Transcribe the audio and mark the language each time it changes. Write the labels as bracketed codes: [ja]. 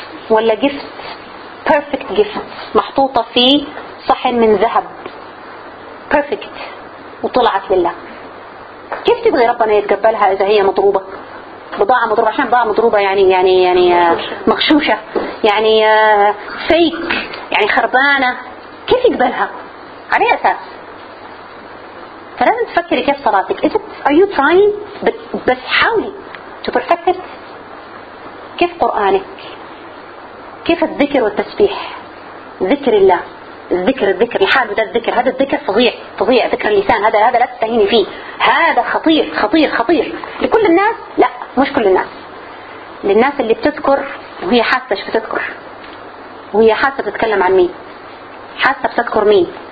[ar] ولا جفت بيرفكت جفت محطوطه في صحن من ذهب بيرفكت وطلعت لله؟ كيف تبغي ربنا يتقبلها اذا هي مضروبه، بضاعة مضروبة؟ عشان بضاعة مضروبة يعني يعني يعني مغشوشة يعني فيك يعني خربانة، كيف يقبلها؟ على أي أساس؟ فلازم تفكري كيف صلاتك. [en] Is it, are you trying [ar] بس حاولي [en] to perfect it. [ar] كيف قرآنك؟ كيف الذكر والتسبيح؟ ذكر الله، الذكر الذكر لحاله ده الذكر، هذا الذكر فظيع فظيع، ذكر اللسان هذا هذا لا تستهيني فيه، هذا خطير خطير خطير لكل الناس، لا مش كل الناس، للناس اللي بتذكر وهي حاسة شو بتذكر، وهي حاسة بتتكلم عن مين، حاسة بتذكر مين.